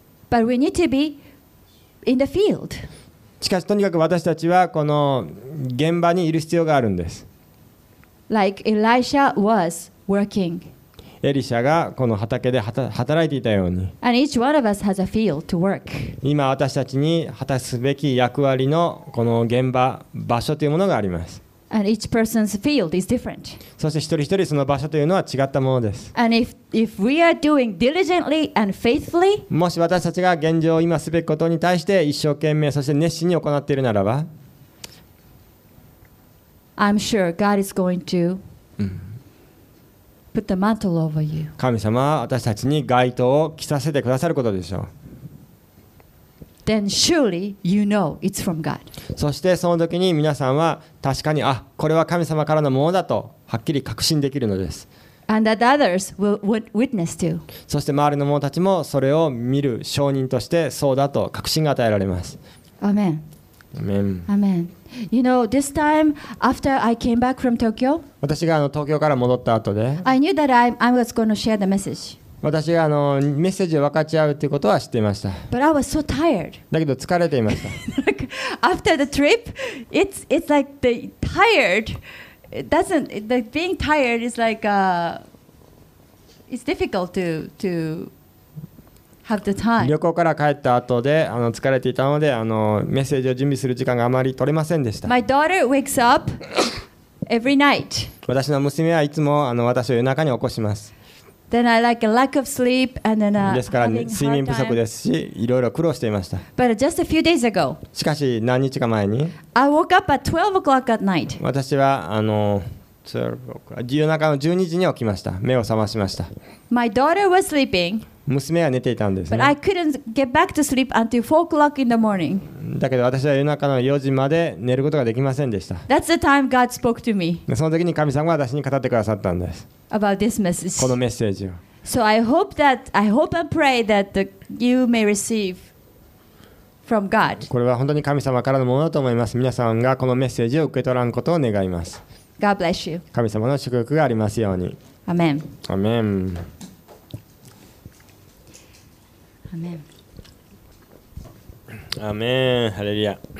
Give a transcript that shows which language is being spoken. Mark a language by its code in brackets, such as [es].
[en] But we need to be in the field. [ja] しかしとにかく私たちはこの現場にいる必要があるんです。 [en] Like Elisha was working. [ja] エリシャがこの畑で働いていたように。 [en] And each one of us has a field to work. [ja] 今私たちに果たすべき役割のこの現場、場所というものがあります。 [en] And each person's field is different. [ja] そして一人一人その場所というのは違ったものです。 [en] And if we are doing diligently and faithfully, [ja] もし私たちが現状を今すべきことに対して一生懸命そして熱心に行っているならば、 [en] I'm sure God is going to put the mantle over you. [ja] 神様は私たちに外灯を着させてくださることでしょう。 [en] Then surely you know it's from God. [ja] そしてその時に皆さんは確かにあこれは神様からのものだとはっきり確信できるのです。 [en] And that others will witness too. [ja] そして周りの者たちもそれを見る証人としてそうだと確信が与えられます。 [en] Amen. Amen. Amen. You know, this time after I came back from Tokyo, [ja] 私が東京から戻った後で、 [en] I knew that I was going to share the message. [ja] 私があのメッセージを分かち合うということは知っていました。 [en] But I was so tired. [ja] だけど疲れていました。 [en] Like, after the trip, it's like the tired. It doesn't the being tired is like it's difficult to have the time. [ja] 旅行から帰った後であの疲れていたのであのメッセージを準備する時間があまり取れませんでした。 [en] My daughter wakes up every night. [ja] 私の娘はいつもあの私を夜中に起こします。 [en] Then I like a lack of sleep and then having [ja] ですから、ね、睡眠不足ですし、いろいろ苦労していました。 [en] But just a few days ago, [ja] しかし何日か前に、 [en] I woke up at 12 o'clock at night. [ja] 私はあの夜中の12時に起きました。目を覚ましました。 [en] My daughter was sleeping. [ja] 娘は寝ていたんですね。 [en] But I couldn't get back to sleep until 4 o'clock in the morning. [ja] だけど私は夜中の4時まで寝ることができませんでした。 [en] That's the time God spoke to me. [ja] その時に神様は私に語ってくださったんです。 [en] About this message. [ja] このメッセージを。 [en] So I hope and pray that you may receive from God. [ja] これは本当に神様からのものだと思います。皆さんがこのメッセージを受け取らんことを願います。 [en] God bless you. [ja] 神様の祝福がありますように。 [en] Amen. Amen. Amen. Amen. ハレルヤ。